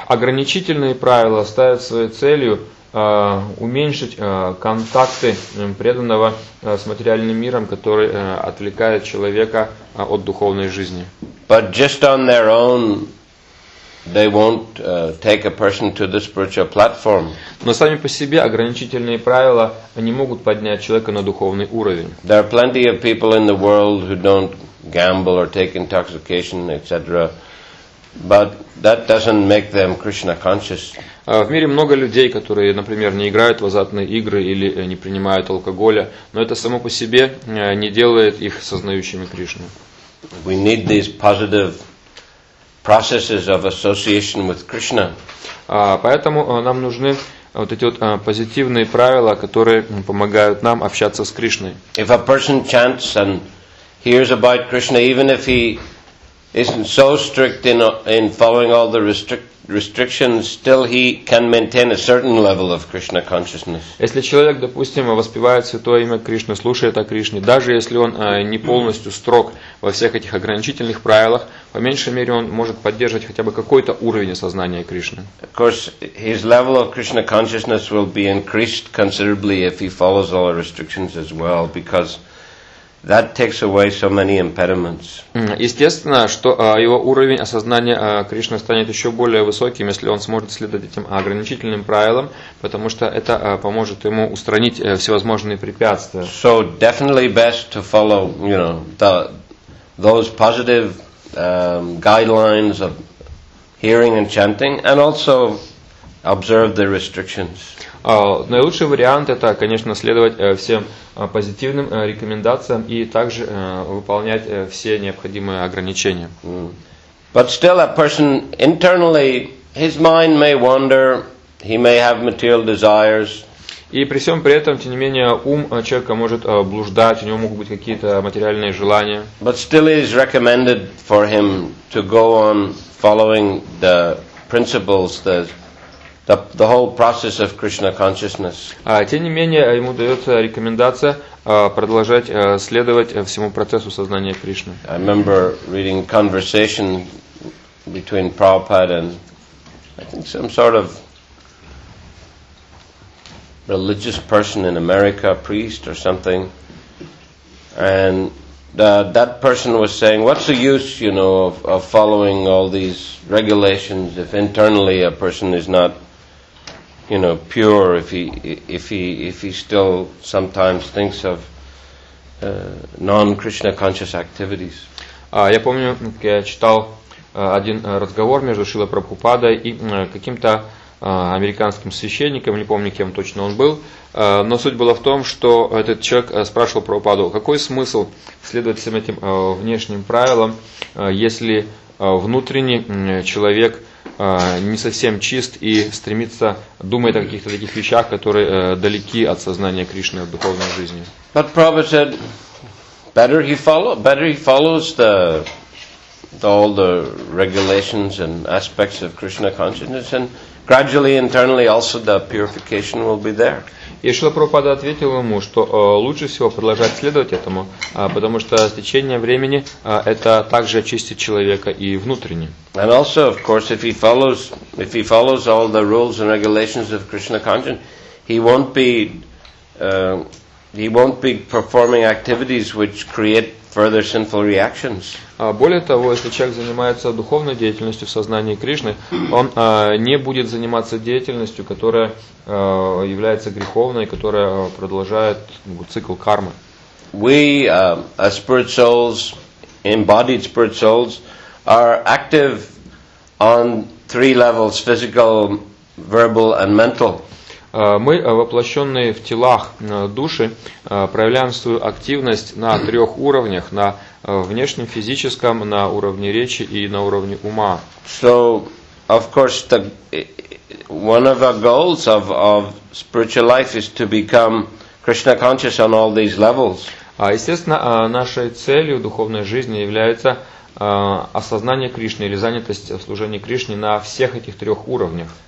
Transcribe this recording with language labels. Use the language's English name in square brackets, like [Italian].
[Russian] Ограничительные правила ставят своей целью уменьшить контакты преданного с материальным миром, который отвлекает человека от духовной жизни. [English] But just on their own, they won't take a person to the spiritual platform. [Russian] Но сами по себе ограничительные правила не могут поднять человека на духовный уровень. [English] There are plenty of people in the world who don't gamble or take intoxication, etc. But that doesn't make them Krishna conscious. [Russian] В мире много людей, которые, например, не играют в азартные игры или не принимают алкоголя, но это само по себе не делает их сознающими Кришну. [English] We need these positive processes of association with Krishna. [Russian] Поэтому нам нужны вот эти вот позитивные правила, которые помогают нам общаться с Кришной. [English] If a person chants and hears about Krishna, even if he isn't so strict in following all the restrictions, still he can maintain a certain level of Krishna consciousness. [Russian] Если человек, допустим, воспевает святое имя Кришны, слушает о Кришне, даже если он не полностью строг во всех этих ограничительных правилах, по меньшей мере он может поддерживать хотя бы какой-то уровень сознания Кришны. [English] Of course, his level of Krishna consciousness will be increased considerably if he follows all the restrictions as well, because that takes away so many impediments. [Russian] Естественно, что его уровень осознания Кришны станет еще более высоким, если он сможет следовать этим ограничительным правилам, потому что это поможет ему устранить всевозможные препятствия. [English] So definitely best to follow, you know, those positive guidelines of hearing and chanting, and also observe the restrictions. [Russian] Наилучший вариант это, конечно, следовать всем позитивным рекомендациям и также выполнять все необходимые ограничения. [English] But still a person internally, his mind may wander, he may have material desires. [Russian] И при всем при этом, тем не менее, ум человека может блуждать, у него могут быть какие-то материальные желания. [English] But still it is recommended for him to go on following the principles, the whole process of Krishna consciousness. [Russian] Тем не менее, ему дается рекомендация продолжать следовать всему процессу сознания Кришны. [English] I remember reading conversation between Prabhupada and I think some sort of religious person in America, a priest or something. And that person was saying, what's the use, you know, of following all these regulations if internally a person is not, you know, pure, if he still sometimes thinks of non-Krishna conscious activities. [Russian] Я помню, как я читал один разговор между Шрила Прабхупадой и каким-то американским священником, не помню, кем точно он был, но суть была в том, что этот человек спрашивал Прабхупаду, какой смысл следовать всем этим внешним правилам, если внутренний человек не совсем чист и стремится думать о каких-то таких вещах, которые далеки от сознания Кришны, от духовной жизни. [English] But Prabhupada said, better he follows all the regulations and aspects of Krishna consciousness, and gradually, internally, also the purification will be there. [Russian] И Шрила Прабхупада ответил ему, что лучше всего продолжать следовать этому, потому что с течением времени это также очистит человека и внутренне. [English] And also, of course, if he follows all the rules and regulations of Krishna consciousness, he won't be performing activities which create further sinful reactions. [Russian] Более того, если человек занимается духовной деятельностью в сознании Кришны, он не будет заниматься деятельностью, которая является греховной, которая продолжает цикл кармы. [English] We, as spirit souls, embodied spirit souls, are active on three levels: physical, verbal, and mental. [Russian] Мы, воплощенные в телах души, проявляем свою активность на трех уровнях: на внешнем физическом, на уровне речи и на уровне ума. [English] So, of course, the one of our goals of spiritual life is to become Krishna conscious on all these levels. [Russian] Естественно, нашей целью духовной жизни является осознание Кришны или занятость в служении Кришне на всех этих трех уровнях.